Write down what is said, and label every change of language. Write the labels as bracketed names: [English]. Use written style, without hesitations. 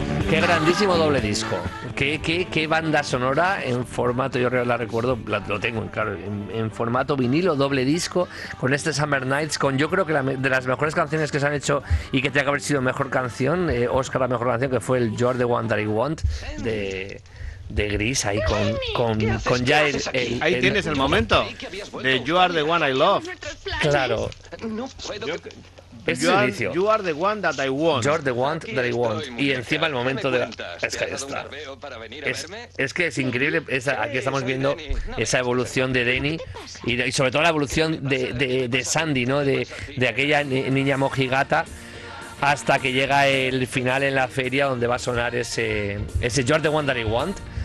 [Spanish] Qué grandísimo doble disco. ¿Qué banda sonora en formato, yo la recuerdo, lo tengo claro, en formato vinilo, doble disco, con este Summer Nights, con yo creo que de las mejores canciones que se han hecho y que tenga que haber sido mejor canción, Oscar la mejor canción, que fue el You're the One That I Want, de Gris, ahí con ya el ahí tienes el momento de You Are The One I Love. Claro. [English] You are the one that I want. You are the one that I want. [Spanish] Y encima el momento de la... Es que ahí está. Es que es increíble. Aquí estamos viendo esa evolución de Denny y sobre todo la evolución de Sandy, ¿no? De aquella niña mojigata hasta que llega el final en la feria, donde va a sonar ese You are the one that I want.